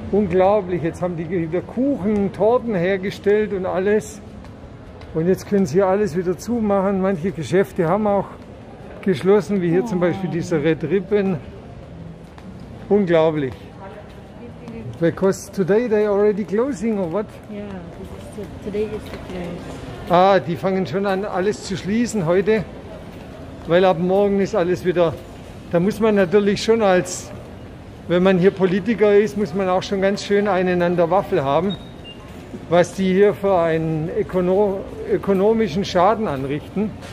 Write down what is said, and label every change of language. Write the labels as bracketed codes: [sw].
[de] unglaublich, jetzt haben die wieder Kuchen, Torten hergestellt und alles. Und jetzt können sie alles wieder zumachen. Manche Geschäfte haben auch geschlossen, wie hier zum Beispiel dieser Red Ribbon. Unglaublich. [en] Because today they already closing or what? Yeah, today is the close. [de] Ah, die fangen schon an, alles zu schließen heute. Weil ab morgen ist alles wieder, da muss man natürlich schon als... Wenn man hier Politiker ist, muss man auch schon ganz schön einen an der Waffel haben, was die hier für einen ökonomischen Schaden anrichten.